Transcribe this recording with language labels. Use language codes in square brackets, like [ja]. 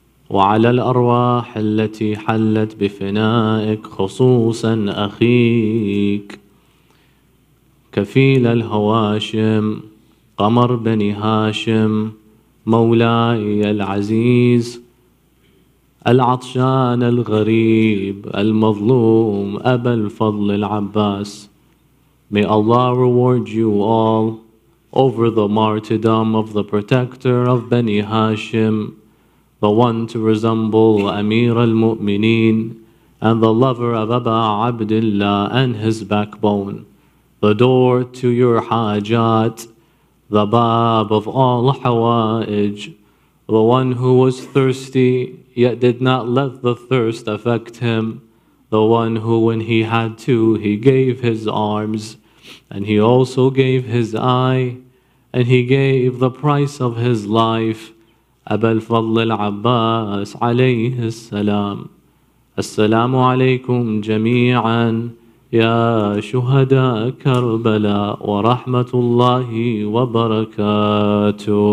[ar] وعلى الأرواح التي حلت بفنائك خصوصا أخيك كفيل الهواشم قمر بن هاشم مولاي العزيز العطشان الغريب المظلوم أبا الفضل العباس. [en] May Allah reward you all over the martyrdom of the protector of Bani Hashim, the one to resemble Amir al-Mu'mineen and the lover of Aba Abdullah and his backbone, the door to your hajat, the bab of all hawa'ij, the one who was thirsty yet did not let the thirst affect him, the one who when he had to, he gave his arms and he also gave his eye and he gave the price of his life, أبا الفضل العباس عليه السلام. [ar] السلام عليكم جميعا يا شهداء كربلاء ورحمة الله وبركاته.